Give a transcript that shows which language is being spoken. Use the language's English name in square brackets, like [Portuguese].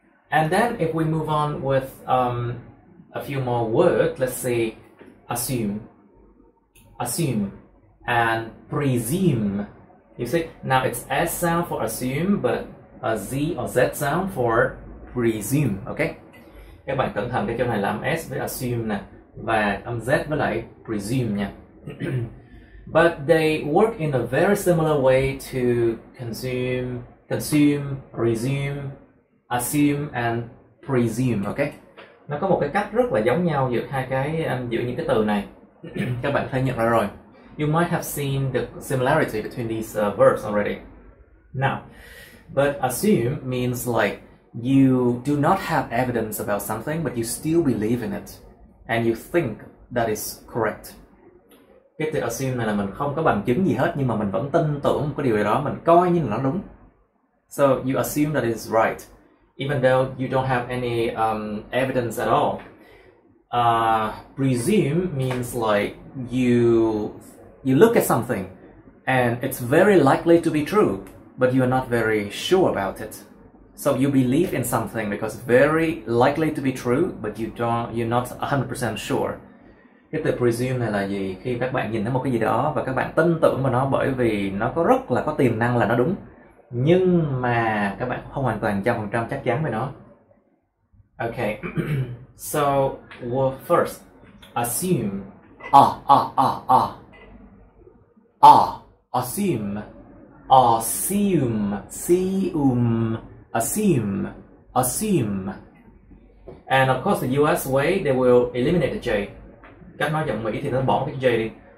[English] And then if we move on with a few more words, let's say assume and presume. You see, now it's S sound for assume, but a Z or Z sound for presume. Okay. [Vietnamese] Các bạn cẩn thận cái chỗ này là âm S với assume nè, và âm Z với lại presume nha. [English] But they work in a very similar way to consume, resume, assume and presume, okay? [Vietnamese] Nó có một cái cách rất là giống nhau giữa hai cái giữa những cái từ này. Các bạn đã nhận ra rồi. [English] You might have seen the similarity between these verbs already. Now, but assume means like you do not have evidence about something but you still believe in it and you think that is correct. [Vietnamese] Cái từ assume này là mình không có bằng chứng gì hết nhưng mà mình vẫn tin tưởng cái điều đó, mình coi như là nó đúng. [English] So you assume that it's right even though you don't have any evidence at all. Presume means like you look at something and it's very likely to be true but you are not very sure about it. So you believe in something because it's very likely to be true but you're not 100% sure. [Vietnamese] Cái từ presume này là gì? Khi các bạn nhìn thấy một cái gì đó và các bạn tin tưởng vào nó bởi vì nó có rất là có tiềm năng là nó đúng, nhưng mà các bạn không hoàn toàn 100% chắc chắn về nó. Okay. [English] So, well, first, assume. Assume. Assume. And of course, the US way, they will eliminate the J. [Vietnamese] Cách nói giọng Mỹ thì nó bỏ cái J đi.